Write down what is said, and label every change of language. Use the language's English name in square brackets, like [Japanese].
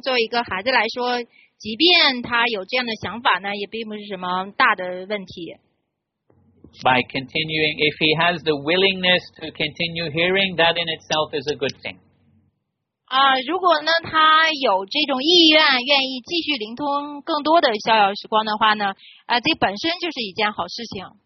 [Chinese] 作为一个孩子来说，即便他有这样的想法呢，也并不是什么大的问题。 [English] By continuing, if he has the willingness to continue hearing, that in itself is a good thing. [Chinese] 如果呢他有这种意愿愿意继续聆听更多的逍遥时光的话呢这本身就是一件好事情。